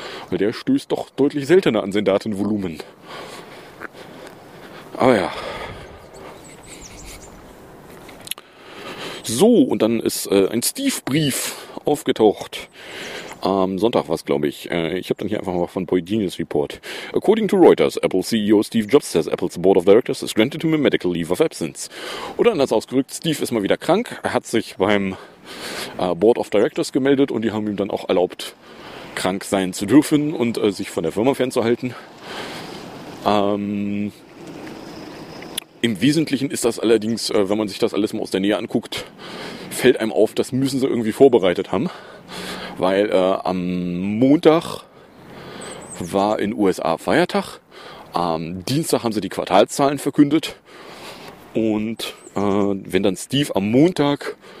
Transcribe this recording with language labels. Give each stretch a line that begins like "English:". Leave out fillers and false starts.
German: Weil der stößt doch deutlich seltener an sein Datenvolumen. Aber ja. So, und dann ist ein Steve-Brief aufgetaucht. Am Sonntag war es, glaube ich. Ich habe dann hier einfach mal von Boy Genius Report.
English: According to Reuters, Apple CEO Steve Jobs says Apple's Board of Directors has granted him a medical leave of absence.
German: Oder anders ausgedrückt, Steve ist mal wieder krank. Er hat sich beim Board of Directors gemeldet und die haben ihm dann auch erlaubt, krank sein zu dürfen und sich von der Firma fernzuhalten. Im Wesentlichen ist das allerdings, wenn man sich das alles mal aus der Nähe anguckt, fällt einem auf, das müssen sie irgendwie vorbereitet haben, weil am Montag war in USA Feiertag, am Dienstag haben sie die Quartalszahlen verkündet und wenn dann Steve am Montag